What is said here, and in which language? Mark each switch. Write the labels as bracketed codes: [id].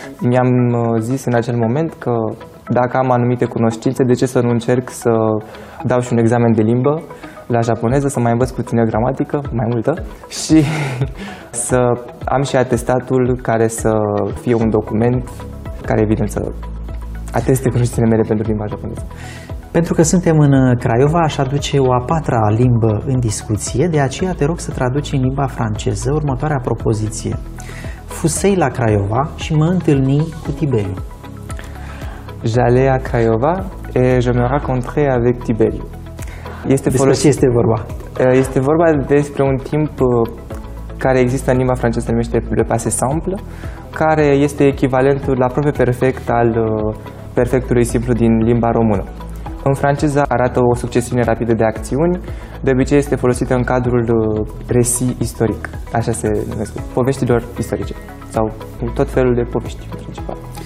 [ro] Mi-am zis în acel moment că dacă am anumite cunoștințe, de ce să nu încerc să dau și un examen de limbă la japoneză, să mai învăț puțină gramatică, mai multă, și să am și atestatul care să fie un document care, evident, să ateste cunoștințele mele pentru limba japoneză. Pentru că suntem în Craiova, aș aduce o a patra limbă în discuție, de aceea te rog să traduci în limba franceză următoarea propoziție. Fusei la Craiova și mă întâlni cu Tiberiu. [fr] J'allais à Craiova et je me rencontrais avec Tiberiu. [ro] Despre ce este vorba? Este vorba despre un timp care există în limba franceză, se numește le passé simple, care este echivalentul aproape perfect al perfectului simplu din limba română. În franceză arată o succesiune rapidă de acțiuni, de obicei este folosită în cadrul récit istoric, așa se numesc, poveștilor istorice, sau tot felul de povești în principal.